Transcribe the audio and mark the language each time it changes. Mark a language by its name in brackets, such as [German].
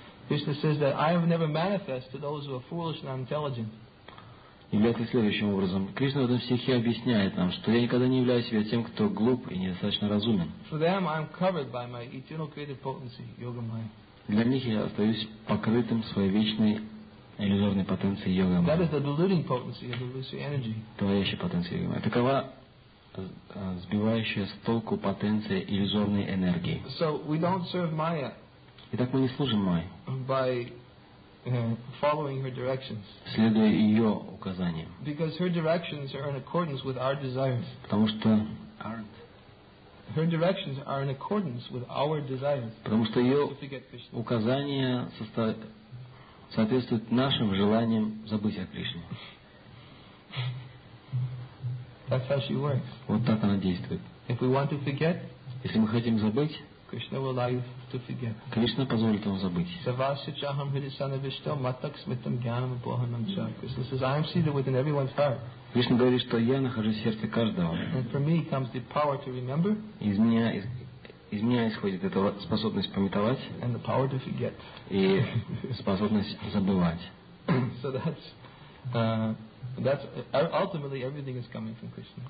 [English] Krishna says that I have never manifested to those who are foolish and unintelligent. [Russian] Является следующим образом. Кришна в этом стихе объясняет нам, что я никогда не являюсь себя тем, кто глуп и недостаточно разумен. [English] For them I am covered by my eternal creative potency, yoga maya. [Russian] Для них я остаюсь покрытым своей вечной иллюзорной потенции йога майя. [English] That is the deluding potency of illusory energy. [Russian] Твоящая потенция йога майя. Такова сбивающая с толку потенция иллюзорной энергии. [English] So we don't serve Maya. [Russian] Итак, мы не служим Майе. [English] By following her directions. [Russian] Следуя ее указаниям. [English] Because her directions are in accordance with our desires. [Russian] Потому что [English] aren't. Her directions are in accordance with our desires. [Russian] Потому что ее указания составляют соответствует нашим желаниям забыть о Кришне. [English] That's how she works. [Russian] Вот так она действует. [English] If we want to forget, [Russian] если мы хотим забыть, [English] Krishna will allow you to forget. [Russian] Кришна позволит вам забыть. [Sanskrit] Savasya chaham hridisana vishto matak smitam gyanam bohanam cha. [English] Krishna says, I am seated within everyone's heart. [Russian] Кришна говорит, что я нахожусь в сердце каждого. [English] And from me comes the power to remember. [Russian] Из меня исходит эта способность памятовать [English] and the power to forget. [Russian] И способность забывать. [English] So that's ultimately everything is coming from Krishna.